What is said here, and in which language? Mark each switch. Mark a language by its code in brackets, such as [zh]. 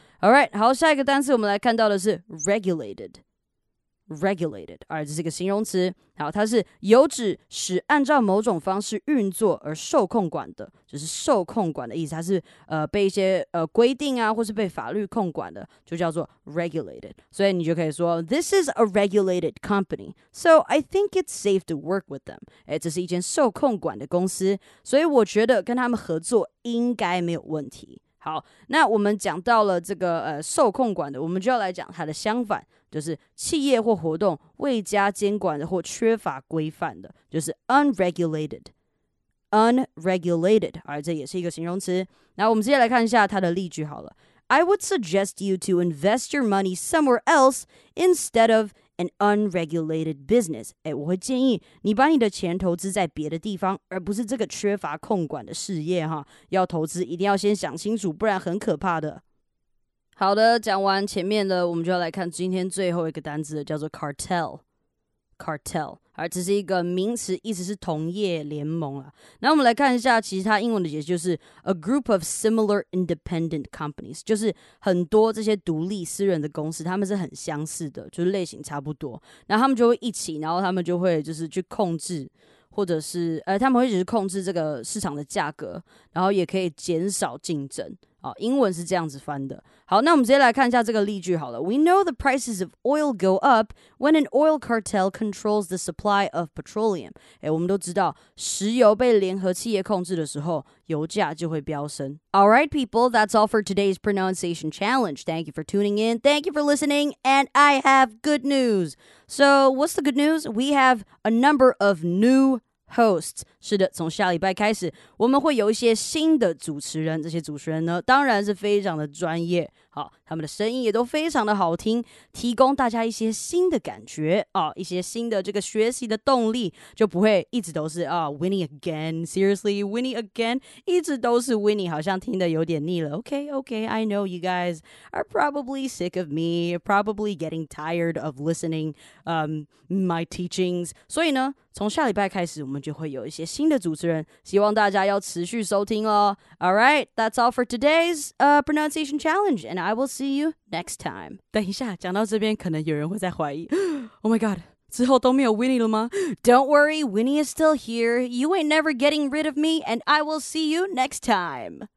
[zh] Alright, 好，下一个单词我们来看到的是 regulated. Alright, 这是一个形容词。好，它是有指使按照某种方式运作而受控管的，就是受控管的意思。它是被一些规定啊，或是被法律控管的，就叫做 regulated. [en] 所以你就可以说 This is a regulated company, so I think it's safe to work with them. [zh] 这是一间受控管的公司，所以我觉得跟他们合作应该没有问题。好，那我们讲到了这个受控管的，我们就要来讲它的相反，就是企业或活动未加监管的或缺乏规范的，就是 unregulated。 unregulated， 而这也是一个形容词。那我们接下来看一下它的例句好了。 [en] I would suggest you to invest your money somewhere else instead of an unregulated business. [zh] 我会建议你把你的钱投资在别的地方，而不是这个缺乏控管的事业哈。要投资一定要先想清楚，不然很可怕的。好的，讲完前面的，我们就要来看今天最后一个单字，叫做 cartel。 cartel， 而这是一个名词，意思是同业联盟啊。那我们来看一下，其实它英文的解释就是 [en] a group of similar independent companies， [zh] 就是很多这些独立私人的公司，他们是很相似的，就是类型差不多。那他们就会一起，然后他们就会就是去控制，或者是他们会一起去控制这个市场的价格，然后也可以减少竞争。英文是这样子翻的。 [en] 好， [zh] 那我们直接来看一下这个例句好了。 [en] We know the prices of oil go up when an oil cartel controls the supply of petroleum. [zh] 我们都知道石油被联合企业控制的时候油价就会飙升。 [en] Alright people, that's all for today's pronunciation challenge. Thank you for tuning in. Thank you for listening. And I have good news. So, what's the good news? We have a number of new hosts， [zh] 是的，从下礼拜开始，我们会有一些新的主持人。这些主持人呢，当然是非常的专业。好，他们的声音也都非常的好听，提供大家一些新的感觉啊，一些新的这个学习的动力，就不会一直都是啊 ， [en] Winnie again, seriously, Winnie again, [zh] 一直都是 Winnie， 好像听得有点腻了。 [en] Okay, okay, I know you guys are probably sick of me, probably getting tired of listening, my teachings. [zh] 所以呢，从下礼拜开始，我们就会有一些新的主持人，希望大家要持续收听哦。 [en] All right, that's all for today's pronunciation challenge. And I will see you next time. [zh] 等一下，讲到这边，可能有人会在怀疑。 [en] Oh my god, [zh] 之后都没有 Winnie 了吗？ [en] Don't worry, Winnie is still here. You ain't never getting rid of me, and I will see you next time.